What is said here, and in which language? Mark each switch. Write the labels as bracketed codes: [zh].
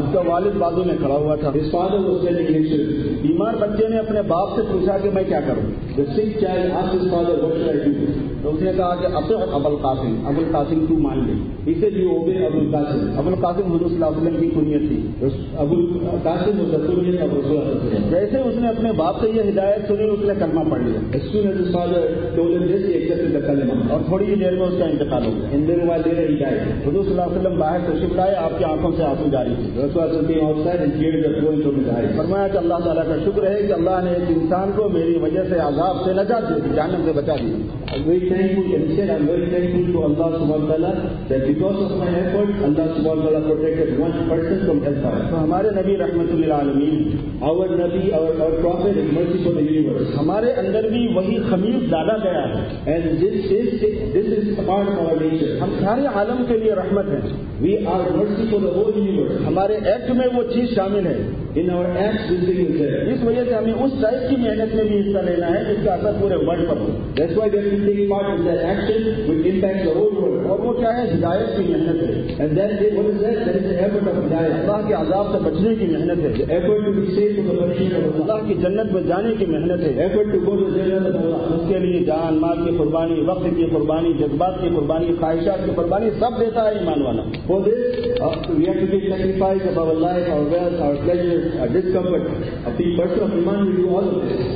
[ur] اس کا والد بازو میں کھڑا ہوا تھا. [en] His father was telling him, [ur] بیمار بچے نے اپنے باپ سے پوچھا کہ میں کیا کروں. [en] The sick child asked his father, what should I do? [ur] تو اس نے کہا کہ [ar] اطع ابوالقاسم. [ur] ابوالقاسم تو مان لے. [en] He said, you obey ابوالقاسم. [ur] Abul Qasim حضور صلی اللہ علیہ وسلم کی کنیت تھی. ابوالقاسم رسول اللہ صلی اللہ علیہ وسلم. جیسے اس نے اپنے باپ سے یہ ہدایت سنی اس نے کلمہ پڑھ لیا. [en] As soon as his father told him this, he accepted the kalima. [ur] اور تھوڑی ہی دیر میں اس کا انتقال ہو گیا. [en] And then while there he died. [ur] حضور صلی اللہ علیہ وسلم باہر تشریف لائے, آپ کی آنکھوں سے آنسو جاری تھے. [en] رسول اللہ صلی اللہ علیہ وسلم came outside and tears were flowing from his eyes. [ur] فرمایا کہ اللہ تعالیٰ کا شکر ہے کہ اللہ نے ایک انسان کو میری وجہ سے عذاب سے نجات دی, جہنم سے بچا دی. [en] Very thankful, and he said, I'm very thankful to Allah subhanahu wa ta'ala that because of my effort, Allah subhanahu wa ta'ala protected one person from hellfire. [ur] So, ہمارے نبی رحمت للعالمین, [en] our Nabi, our Prophet is mercy for the universe. [ur] ہمارے اندر بھی وہی خمیر ڈالا گیا ہے. [en] And this is part of our nature. [ur] ہم سارے عالم کے لیے رحمت ہیں. [en] We are mercy for the whole universe. [ur] ہمارے ایکٹ میں وہ چیز شامل ہے. [en] In our acts, this thing is there. [ur] اس وجہ سے ہمیں اس ٹائپ کی محنت میں بھی حصہ لینا ہے جس کا اثر پورے world per ہو. [en] That's why we are taking part in that action which impacts the whole world. [ur] اور وہ کیا ہے؟ ہدایت کی محنت ہے. [en] And then what is that? That is the effort of ہدایت. [ur] اللہ کے عذاب سے بچنے کی محنت ہے. [en] Effort to be saved from the punishment of Allah. [ur] اللہ کی جنت میں جانے کی محنت ہے. [en] Effort to go to jannat of Allah. [ur] اس کے لیے جان مال کی قربانی, وقت کی قربانی, جذبات کی قربانی, خواہشات کی قربانی سب دیتا ہے ایمان والا. [en] For this, we have to be sacrificed above our life, our wealth, our pleasures, our discomfort. A person of iman will do all of this.